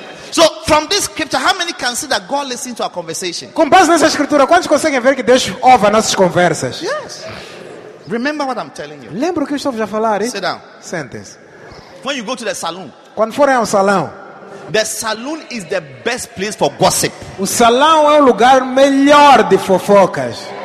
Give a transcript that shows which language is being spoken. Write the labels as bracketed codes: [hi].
[en] So from this scripture, how many can see that God listens to our conversation? [pt] Com base nessa escritura, quantos conseguem ver que Deus ouve as nossas conversas? [en] Yes. Remember what I'm telling you. [pt] Lembra o que eu estou a falar, hein? [en] Sit down. [pt] Sentence. [en] When you go to the salon. [pt] Quando forem ao salão. [en] The salon is the best place for gossip. [pt] O salão é o lugar melhor de fofocas.